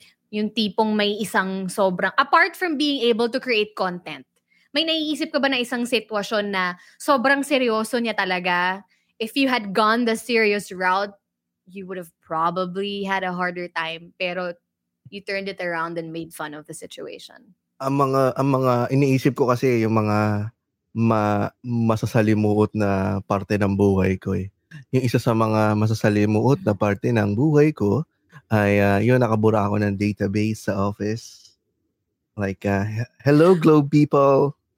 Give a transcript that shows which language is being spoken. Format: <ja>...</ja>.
<tl>Yung tipong may isang sobrang...</tl> <en>Apart from being able to create content,</en> <tl>may naiisip ka ba na isang sitwasyon na sobrang seryoso niya talaga?</tl> <en>If you had gone the serious route, you would have probably had a harder time. Pero you turned it around and made fun of the situation.</en> <tl>Ang mga iniisip ko kasi yung mga masasalimuot na parte ng buhay ko eh. Yung isa sa mga masasalimuot na parte ng buhay ko, ay, yun, nakabura ako ng database sa office.</tl> <en>Like, hello, Globe people.</en>